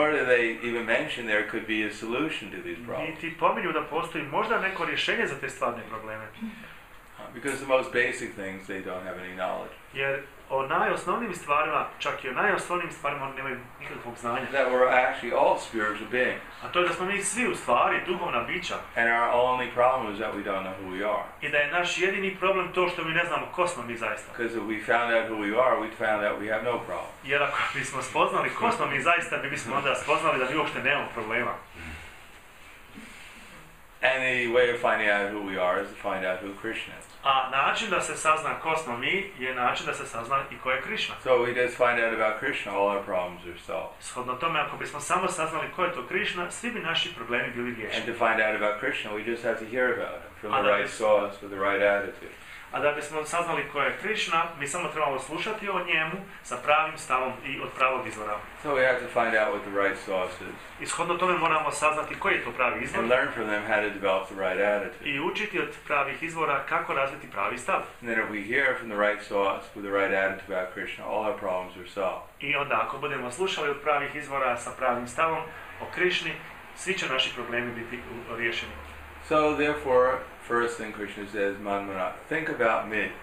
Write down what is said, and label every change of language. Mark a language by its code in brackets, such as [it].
[en] Nor do they even mention there could be a solution to these problems. [bs] Niti pominju da postoji možda neko rješenje za te stvarne probleme. [en] Because the most basic things they don't have any knowledge. [bs] Jer o najosnovnim stvarima, čak i o najosnovnim stvarima oni nemaju nikakvog znanja. [en] That we're actually all spiritual beings. [bs] A to je da smo mi svi u stvari duhovna bića. [en] And our only problem is that we don't know who we are. [bs] I da je naš jedini problem to što mi ne znamo ko smo mi zaista. [en] Because if we found out who we are, we'd found out we have no problem. [bs] Jer ako bismo spoznali ko smo mi zaista, mi bismo onda spoznali da mi uopšte nemamo problema. [en] Any way of finding out who we are is to find out who Krishna is. [bs] A način da se sazna ko smo mi je način da se sazna i ko je Krishna. [en] So we just find out about Krishna, all our problems are solved. [bs] Shodno tome, ako bismo samo saznali ko je to Krishna, svi bi naši problemi bili riješeni. [en] And to find out about Krishna, we just have to hear about him from the right source with the right attitude. [bs] A da bismo saznali ko je Krishna, mi samo trebamo slušati o njemu sa pravim stavom i od pravog izvora. [en] So we have to find out what the right source is. [bs] I shodno tome moramo saznati koji je to pravi izvor. [en] And learn from them how to develop the right attitude. [bs] I učiti od pravih izvora kako razviti pravi stav. [en] And then if we hear from the right source with the right attitude about Krishna, all our problems are solved. [bs] I onda ako budemo slušali od pravih izvora sa pravim stavom o Krishni, svi će naši problemi biti riješeni. [en] So therefore, first thing Krishna says, Manmana, think about me.